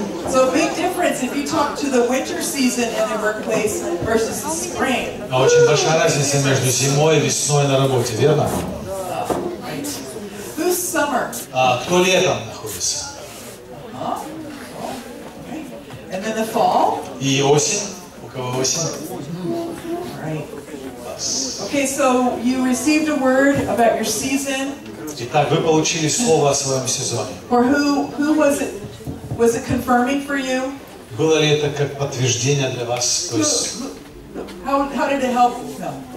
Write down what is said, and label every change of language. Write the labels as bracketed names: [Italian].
[English] So big difference if you talk to the winter season in the workplace versus the spring. [Russian] А очень большая разница между зимой и весной на работе, верно? [English] Who's summer? [Russian] А кто летом находится? [English] And then the fall? [Russian] И осень. У кого осень? [English] Okay, so you received a word about your season. [Russian] Итак, вы получили слово о своем сезоне. [English] Or who was it? Was it confirming for you? [Russian] Было ли это как подтверждение для вас? То есть... [English] how did it help them?